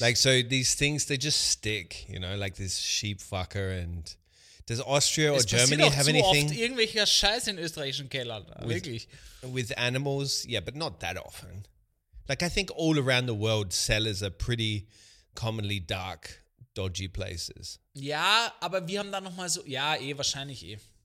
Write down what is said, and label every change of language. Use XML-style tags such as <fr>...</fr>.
<en>Like, so these things, they just stick, you know, like this sheep fucker. And does Austria or Germany have anything?</en> <de>Es passiert auch zu oft irgendwelcher Scheiß in österreichischen Kellern, wirklich.</de> <en>With animals, yeah, but not that often. Like, I think all around the world, cellars are pretty commonly dark, dodgy places.</en> <de>Ja, aber wir haben da nochmal so, ja, eh, wahrscheinlich eh.</de>